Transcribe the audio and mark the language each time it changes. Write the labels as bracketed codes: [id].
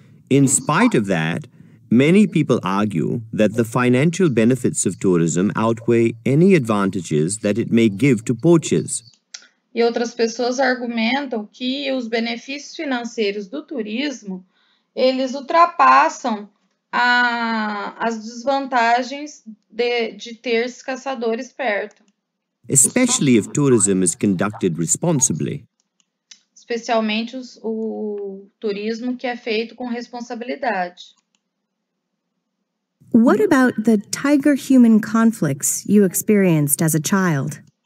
[en] In spite of that, many people argue that the financial benefits of tourism outweigh any advantages that it may give to poachers. [pt] E outras pessoas argumentam que os benefícios financeiros do turismo, eles ultrapassam as desvantagens de ter esses caçadores perto. [en] Especially if tourism is conducted responsibly. [pt] Especialmente o turismo que é feito com responsabilidade. [en] What about the tiger-human conflicts you experienced as a child?